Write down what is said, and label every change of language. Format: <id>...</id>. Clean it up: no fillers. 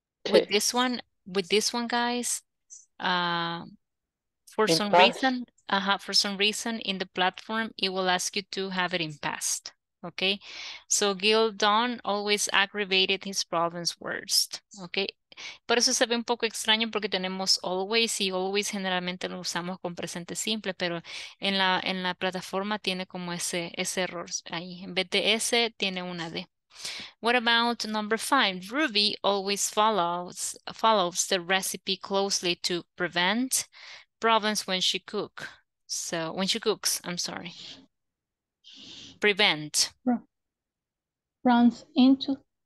<en>With this one, guys, for some reason, in the platform, it will ask you to have it in past, okay? So Gil Don always aggravated his problems worst, okay?</en> <es>Por eso se ve un poco extraño porque tenemos always y always generalmente lo usamos con presente simple, pero en la plataforma tiene como ese error ahí. En vez de S, tiene una D.</es> <en>What about number five? Ruby always follows the recipe closely to prevent problems when she cooks. So when she cooks, I'm sorry. Prevent. Runs into.</en>